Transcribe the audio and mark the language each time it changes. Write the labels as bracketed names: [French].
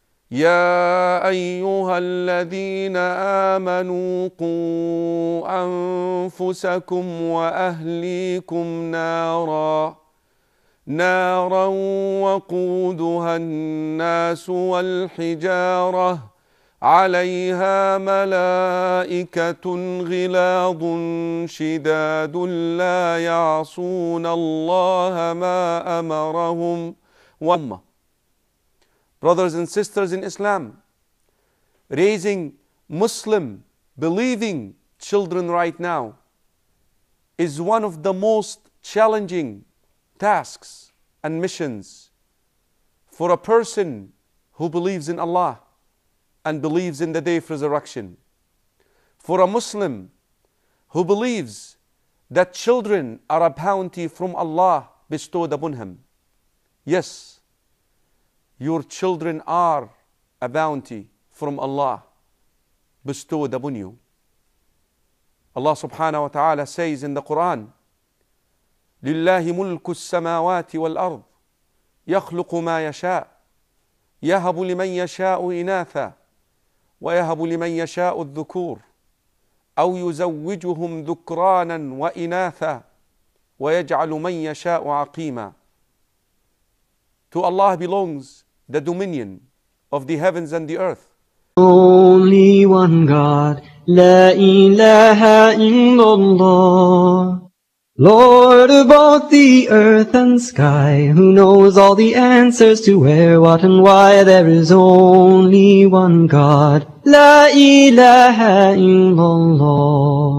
[Arabic] يا أيها الذين آمنوا قوا أنفسكم وأهليكم نارا نارا وقودها الناس والحجارة عليها ملائكة غلاظ شداد لا يعصون الله ما أمرهم وما. [English] Brothers and sisters in Islam, raising Muslim believing children right now is one of the most challenging tasks and missions for a person who believes in Allah and believes in the day of resurrection. For a Muslim who believes that children are a bounty from Allah bestowed upon him. Yes, your children are a bounty from Allah bestowed upon you. [Arabic] Allah subhanahu wa ta'ala [English] says in the Quran, [Arabic] لله ملك السماوات والأرض يخلق ما يشاء يهب لمن يشاء إناثا ويهب لمن يشاء الذكور أو يزوجهم ذكرانا وإناثا ويجعل من يشاء عقيما. [English] To Allah belongs the dominion of the heavens and the earth. Only one God, [Arabic] La ilaha illallah. [English] Lord of both the earth and sky, who knows all the answers to where, what and why, there is only one God, [Arabic] La ilaha illallah.